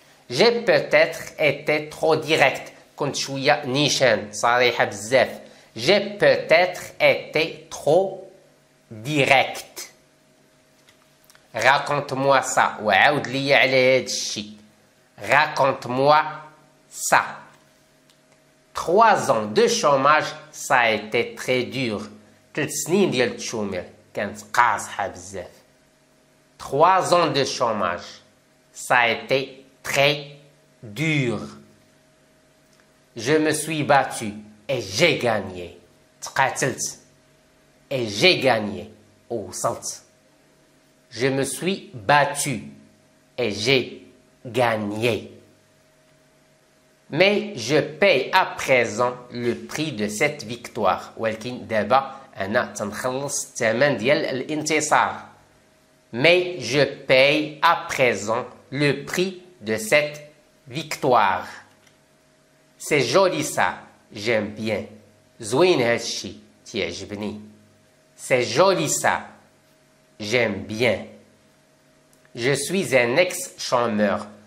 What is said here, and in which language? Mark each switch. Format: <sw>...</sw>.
<fr>J'ai peut-être été trop direct.</fr> <ar>كنت شوية نيشان صريحة بزاف.</ar> <fr>J'ai peut-être été trop direct. Raconte-moi ça.</fr> <ar>وعاود لي على هاد الشي.</ar> <fr>Raconte-moi ça. 3 ans de chômage, ça a été très dur.</fr> <ar>3 سنين ديال التشومير كانت قاصحة بزاف.</ar> <fr>3 ans de chômage, ça a été très dur. Je me suis battu et j'ai gagné.</fr> <ar>تقاتلت</ar> <fr>et j'ai gagné.</fr> <ar>وصلت.</ar> <fr>Je me suis battu et j'ai gagné. Mais je paye à présent le prix de cette victoire.</fr> <ar>ولكن دابا انا تنخلص الثمن ديال الانتصار.</ar> <fr>Mais je paye à présent le prix de cette victoire. C'est joli ça, j'aime bien.</fr> <ar>زوين هادشي تيعجبني.</ar> <fr>C'est joli ça, j'aime bien. Je suis un ex-chômeur.</fr>